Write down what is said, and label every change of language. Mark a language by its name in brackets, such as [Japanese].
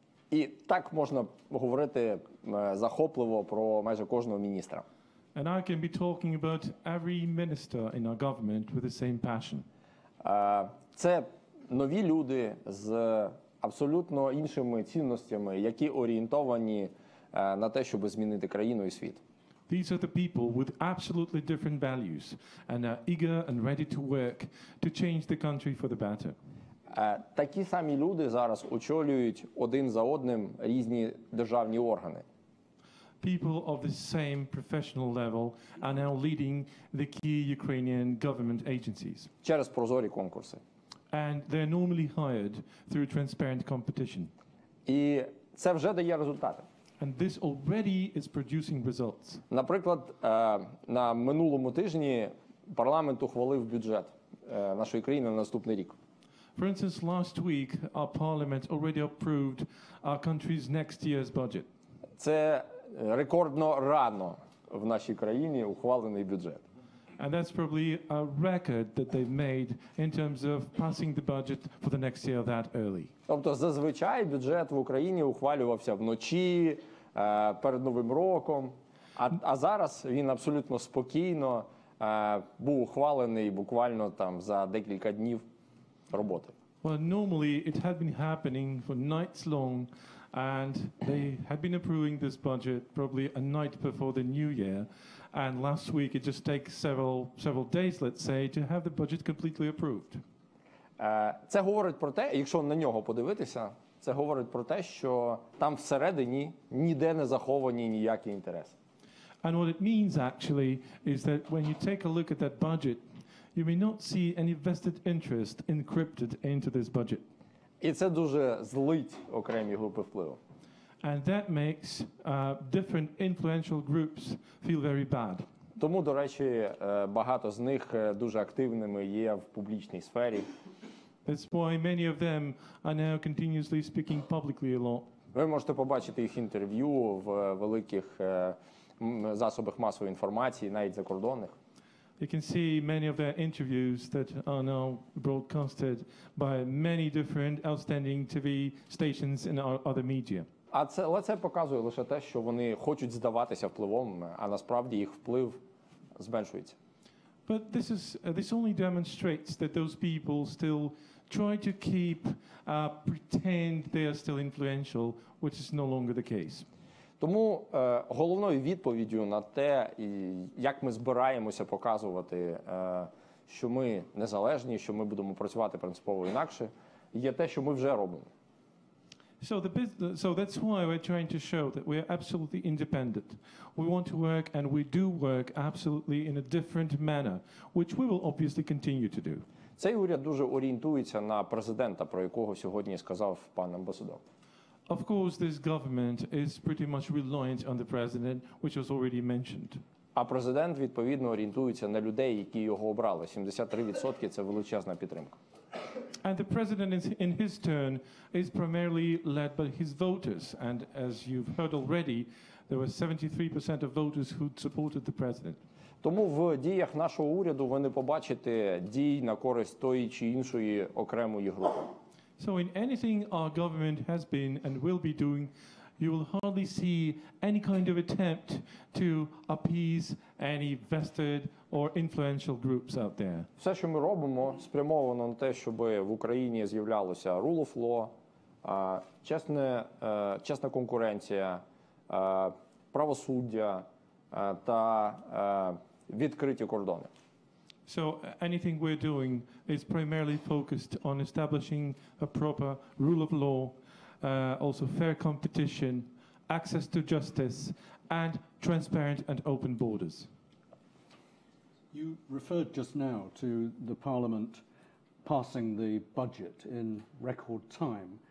[Ukrainian] І так можна говорити захопливо про майже кожного міністра. [English] And I can be talking about every minister in our government with the same passion. [Ukrainian] Це нові люди з абсолютно іншими цінностями, які орієнтовані на те, щоб змінити країну і світ. [English] These are the people with absolutely different values and are eager and ready to work to change the country for the better. [Ukrainian] Такі самі люди зараз очолюють один за одним різні державні органи. [English] People of the same professional level are now leading the key Ukrainian government agencies. [Ukrainian] Через прозорі конкурси. [English] And they're normally hired through transparent competition. [Ukrainian] І це вже дає результати. [English] And this already is producing results. [Ukrainian] Наприклад, на минулому тижні парламент ухвалив бюджет нашої країни на наступний рік. [English] For instance, last week our parliament already approved our country's next year's budget. [Ukrainian] Це рекордно рано в нашій країні ухвалений бюджет. [English] And that's probably a record that they've made in terms of passing the budget for the next year that early. [Ukrainian] Тобто зазвичай бюджет в Україні ухвалювався вночі, перед Новим роком, а зараз він абсолютно спокійно був ухвалений буквально там за декілька днів роботи. [English] Well, normally it had been happening for nights long, and they had been approving this budget probably a night before the new year. And last week, it just takes several days, let's say, to have the budget completely approved. [Ukrainian] Це говорить про те, якщо на нього подивитися, це говорить про те, що там всередині ніде не заховані ніякі інтереси. [English] And what it means, actually, is that when you take a look at that budget, you may not see any vested interest encrypted into this budget. [Ukrainian] І це дуже злить окремі групи впливу. [English] And that makes different influential groups feel very bad. [Ukrainian] Тому, до речі, багато з них дуже активними є в публічній сфері. [English] That's why many of them are now continuously speaking publicly a lot. [Ukrainian] Ви можете побачити їх інтерв'ю в великих засобах масової інформації, навіть закордонних. [English] You can see many of their interviews that are now broadcasted by many different outstanding TV stations and other media. [Ukrainian] А це показує лише те, що вони хочуть здаватися впливом, а насправді їх вплив зменшується. [English] But this only demonstrates that those people still try to keep pretend they are still influential, which is no longer the case. [Ukrainian] Тому головною відповіддю на те, як ми збираємося показувати, що ми незалежні, що ми будемо працювати принципово інакше, є те, що ми вже робимо. [English] So that's why we're trying to show that we're absolutely independent. We want to work and we do work absolutely in a different manner, which we will obviously continue to do. [Ukrainian] Цей уряд дуже орієнтується на президента, про якого сьогодні сказав пан амбасадор. [English] Of course, this government is pretty much reliant on the president, which was already mentioned. [Ukrainian] А президент відповідно орієнтується на людей, які його обрали. 73% – це величезна підтримка. [English] And the president, in his turn, is primarily led by his voters. And as you've heard already, there were 73% of voters who supported the president. [Ukrainian] Тому в діях нашого уряду ви не побачите дій на користь тої чи іншої окремої групи. [English] So in anything our government has been and will be doing, you will hardly see any kind of attempt to appease any vested or influential groups out there. [Ukrainian] Все, що ми робимо, спрямовано на те, щоб в Україні з'являлося [English] rule of law, [Ukrainian] чесна конкуренція, правосуддя та відкриті кордони. [English] So anything we're doing is primarily focused on establishing a proper rule of law, also fair competition, access to justice, and transparent and open borders. You referred just now to the Parliament passing the budget in record time.